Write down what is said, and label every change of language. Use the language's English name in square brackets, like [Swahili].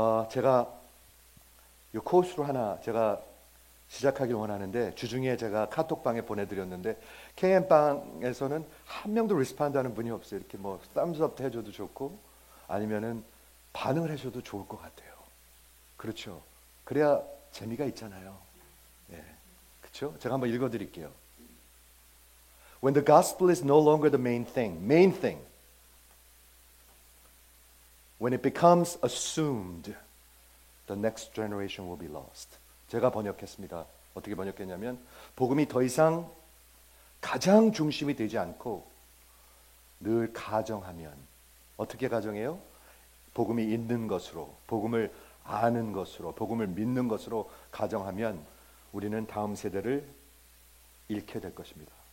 [Korean] 제가 이 코스로 하나 제가 시작하길 원하는데 주중에 제가 카톡방에 보내드렸는데 KM방에서는 한 명도 리스폰드하는 분이 없어요. 이렇게 뭐 thumbs up 해줘도 좋고 아니면은 반응을 해줘도 좋을 것 같아요. 그렇죠? 그래야 재미가 있잖아요. 예, 그렇죠? 제가 한번 읽어드릴게요. [English] When the gospel is no longer the main thing. When it becomes assumed, the next generation will be lost. [Korean] 제가 번역했습니다. 어떻게 번역했냐면 복음이 더 이상 가장 중심이 되지 않고 늘 가정하면 어떻게 가정해요? 복음이 있는 것으로, 복음을 아는 것으로, 복음을 믿는 것으로 가정하면 우리는 다음 세대를 잃게 될 것입니다.